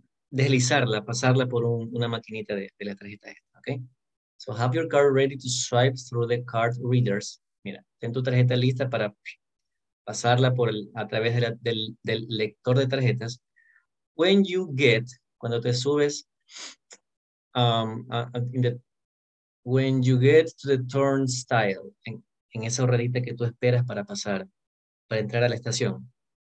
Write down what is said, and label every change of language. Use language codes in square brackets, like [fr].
[es] deslizarla, pasarla por una maquinita de la tarjeta esta, ¿ok? [en] So have your card ready to swipe through the card readers. [es] Mira, ten tu tarjeta lista para pasarla por el, a través de la, del, del lector de tarjetas. [en] When you get, [es] cuando te subes, [en] when you get to the turnstile, [es] en esa horadita que tú esperas para pasar, para entrar a la estación.